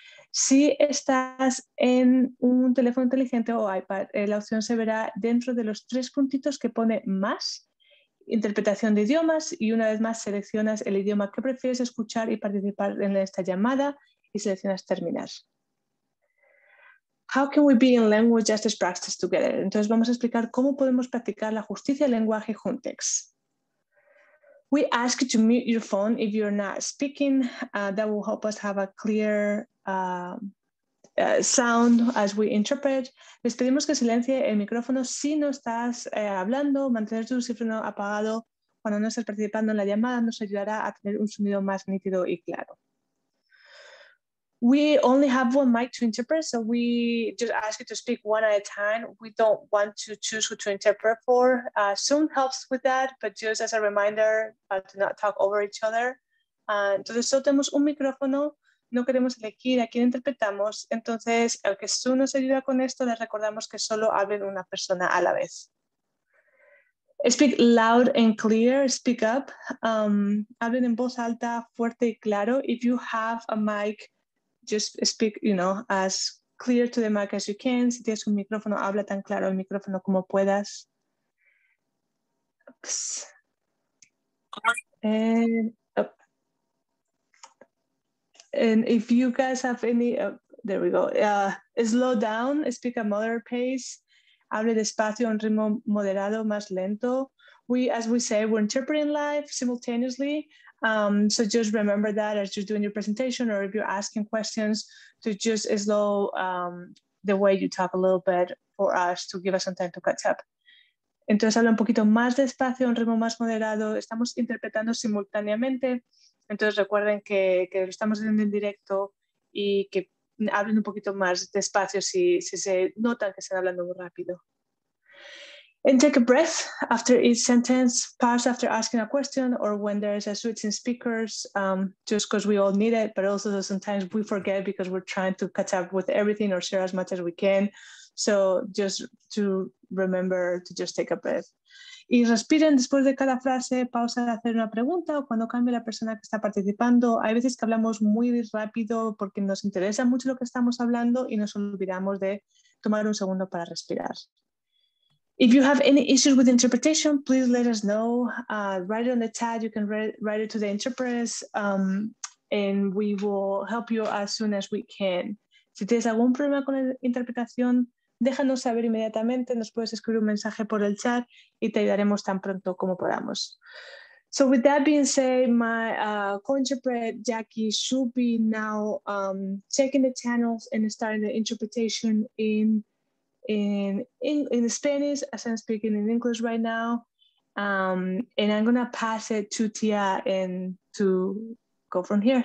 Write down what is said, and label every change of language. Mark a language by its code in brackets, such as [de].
[es] Si estás en un teléfono inteligente o iPad, la opción se verá dentro de los tres puntitos que pone más, interpretación de idiomas, y una vez más seleccionas el idioma que prefieres escuchar y participar en esta llamada y seleccionas terminar. [en] How can we be in language justice practice together? [es] Entonces vamos a explicar cómo podemos practicar la justicia del lenguaje juntos. [en] We ask you to mute your phone if you're not speaking. That will help us have a clear sound as we interpret. [es] Les pedimos que silencie el micrófono si no estás hablando. Mantener tu micrófono apagado cuando no estás participando en la llamada nos ayudará a tener un sonido más nítido y claro. [en] We only have one mic to interpret, so we just ask you to speak one at a time. We don't want to choose who to interpret for. Zoom helps with that, but just as a reminder, do not talk over each other. [es] Entonces, solo tenemos un micrófono. No queremos elegir a quién interpretamos. Entonces, al que Zoom nos ayuda con esto, les recordamos que solo hablen una persona a la vez. [en] Speak loud and clear, speak up. [es] Hablen en voz alta, fuerte y claro. [en] If you have a mic, just speak, you know, as clear to the mic as you can. [es] Si tienes un micrófono, habla tan claro el micrófono como puedas. [en] Oops. And if you guys have any, there we go. Slow down, speak at moderate pace. [es] Hable despacio, un ritmo moderado, más lento. [en] As we say, we're interpreting live simultaneously. So just remember that as you're doing your presentation or if you're asking questions, to just slow the way you talk a little bit for us to give us some time to catch up. [es] Entonces habla un poquito más despacio, un ritmo más moderado. Estamos interpretando simultáneamente. Entonces recuerden que lo estamos haciendo en directo y que hablen un poquito más despacio si se notan que están hablando muy rápido. [en] And take a breath after each sentence, pause after asking a question or when there's a switch in speakers, just because we all need it, but also sometimes we forget because we're trying to catch up with everything or share as much as we can. So just to remember to just take a breath. [es] Y respiren después de cada frase, pausa para hacer una pregunta o cuando cambie la persona que está participando. Hay veces que hablamos muy rápido porque nos interesa mucho lo que estamos hablando y nos olvidamos de tomar un segundo para respirar. [en] If you have any issues with interpretation, please let us know. Write it on the chat. You can write it to the interpreters and we will help you as soon as we can. [es] Si tienes algún problema con la interpretación, déjanos saber inmediatamente. Nos puedes escribir un mensaje por el chat y te ayudaremos tan pronto como podamos. [en] So with that being said, my co-interpreter Jackie should be now checking the channels and starting the interpretation in Spanish, as I'm speaking in English right now. And I'm gonna pass it to Tia and to go from here.